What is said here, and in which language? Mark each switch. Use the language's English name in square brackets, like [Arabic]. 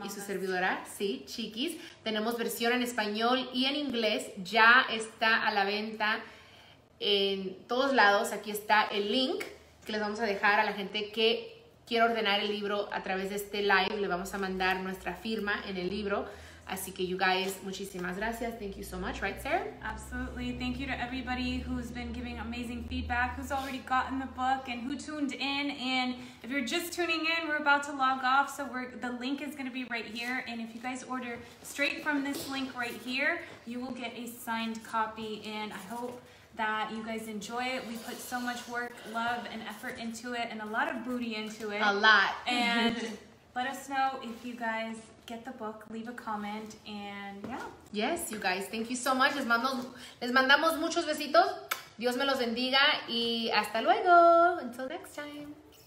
[Spanish] y su servidora, sí, Chiquis. Tenemos versión en español y en inglés. Ya está a la venta en todos lados. Aquí está el link que les vamos a dejar a la gente que quiere ordenar el libro a través de este live. Le vamos a mandar nuestra firma en el libro. Así que, [English] you guys, [Spanish] muchísimas gracias. [English] Thank you so much. Right, Sarah? Absolutely. Thank you to everybody who's been giving amazing feedback, who's already gotten the book, and who tuned in. And if you're just tuning in, we're about to log off. So the link is going to be right here. And if you guys order straight from this link right here, you will get a signed copy. And I hope that you guys enjoy it. We put so much work, love, and effort into it, and a lot of booty into it. A lot. And let us know if you guys... get the book, leave a comment, and yeah. Yes, you guys, thank you so much. [Spanish] Les mandamos muchos besitos. Dios me los bendiga, y hasta luego. [English] Until next time.